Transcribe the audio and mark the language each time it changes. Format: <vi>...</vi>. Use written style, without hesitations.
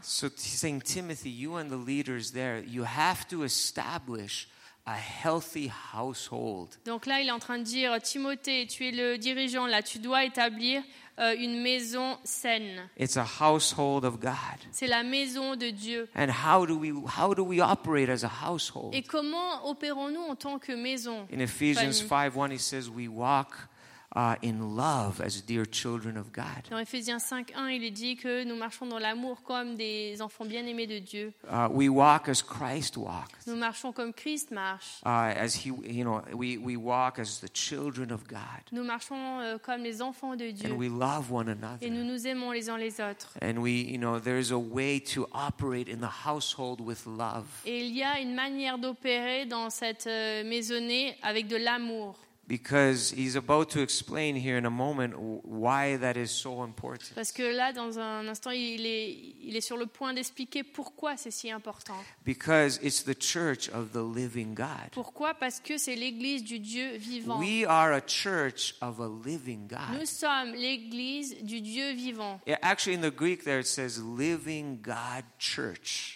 <en>So Saint Timothy, you and the leaders there, you have to establish a healthy household.</en> <fr>Donc là, il est en train de dire, Timothée, tu es le dirigeant là, tu dois établir une maison saine.</fr> <en>It's a household of God.</en> <fr>C'est la maison de Dieu.</fr> <en>And how do we operate as a household?</en> <fr>Et comment opérons-nous en tant que maison?</fr> <en>In Ephesians 5:1, he says, we walk in love as dear children of God.</en> <fr>Dans Ephésiens 5:1, il est dit que nous marchons dans l'amour comme des enfants bien-aimés de Dieu.</fr> <en>We walk as Christ walked.</en> <fr>Nous marchons comme Christ marche.</fr> <en>As he, you know, we walk as the children of God.</en> <fr>Nous marchons comme les enfants de Dieu.</fr> <en>And we love one another.</en> <fr>Et nous nous aimons les uns les autres.</fr> <en>And we, you know, there is a way to operate in the household with love.</en> <fr>Et il y a une manière d'opérer dans cette maisonnée avec de l'amour.</fr> <en>Because he's about to explain here in a moment why that is so important.</en> <fr>Parce que là, dans un instant, il est sur le point d'expliquer pourquoi c'est si important.</fr> <en>Because it's the church of the living God.</en> <fr>Pourquoi? Parce que c'est l'église du Dieu vivant.</fr> <en>We are a church of a living God.</en> <fr>Nous sommes l'église du Dieu vivant.</fr> <en>Yeah, actually, in the Greek, there it says "living God church."</en>